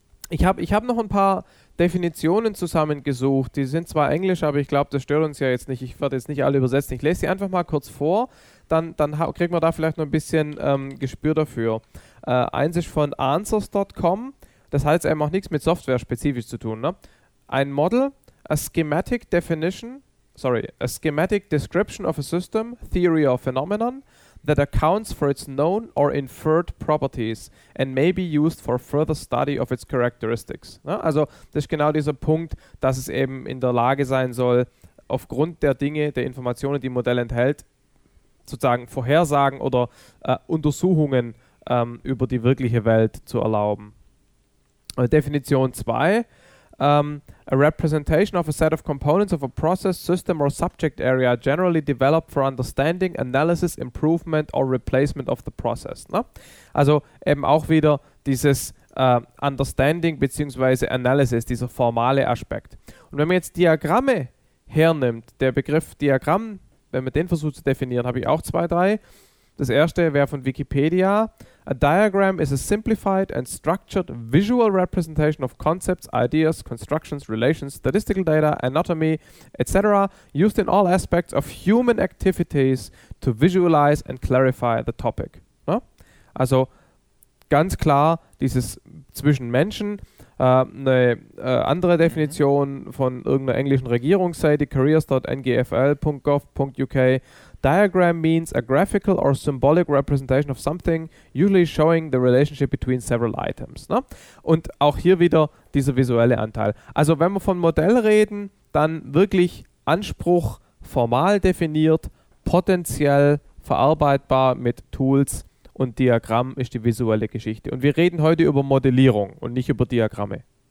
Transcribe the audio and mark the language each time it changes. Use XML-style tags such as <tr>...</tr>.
<de>Ich hab noch ein paar Definitionen zusammengesucht, die sind zwar englisch, aber ich glaube, das stört uns ja jetzt nicht. Ich werde jetzt nicht alle übersetzen, ich lese sie einfach mal kurz vor, dann kriegt man da vielleicht noch ein bisschen Gespür dafür. Eins ist von answers.com, das hat jetzt eben auch nichts mit Software spezifisch zu tun, ne? Ein Model,</de> <en>a schematic description of a system, theory or phenomenon, that accounts for its known or inferred properties and may be used for further study of its characteristics.</en> <de>Ja, also das ist genau dieser Punkt, dass es eben in der Lage sein soll, aufgrund der Dinge, der Informationen, die ein Modell enthält, sozusagen Vorhersagen oder Untersuchungen über die wirkliche Welt zu erlauben. Definition 2.</de> <en>A representation of a set of components of a process, system or subject area generally developed for understanding, analysis, improvement or replacement of the process.</en> <de>Ne? Also eben auch wieder dieses Understanding bzw. Analysis, dieser formale Aspekt. Und wenn man jetzt Diagramme hernimmt, der Begriff Diagramm, wenn man den versucht zu definieren, habe ich auch zwei, drei. Das erste wäre von Wikipedia.</de> <en>A diagram is a simplified and structured visual representation of concepts, ideas, constructions, relations, statistical data, anatomy, etc., used in all aspects of human activities to visualize and clarify the topic.</en> <de>Ne? Also ganz klar, dieses zwischen Menschen. Andere Definition von irgendeiner englischen Regierungsseite, careers.ngfl.gov.uk.</de> <en>Diagram means a graphical or symbolic representation of something, usually showing the relationship between several items.</en> <de>Ne? Und auch hier wieder dieser visuelle Anteil. Also wenn wir von Modell reden, dann wirklich Anspruch formal definiert, potenziell verarbeitbar mit Tools und Diagramm ist die visuelle Geschichte. Und wir reden heute über Modellierung und nicht über Diagramme.</de>